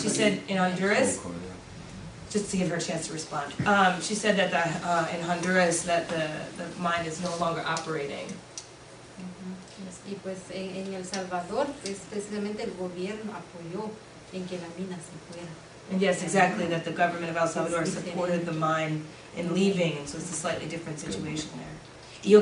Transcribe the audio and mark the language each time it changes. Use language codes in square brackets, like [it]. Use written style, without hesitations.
[en] She said in Honduras, just to give her a chance to respond, she said that in Honduras that the mine is no longer operating. [es] Y pues en El Salvador, especialmente el gobierno apoyó en que la mina se fuera. [en] And yes, exactly, that the government of El Salvador supported the mine in leaving, and so it's a slightly different situation there.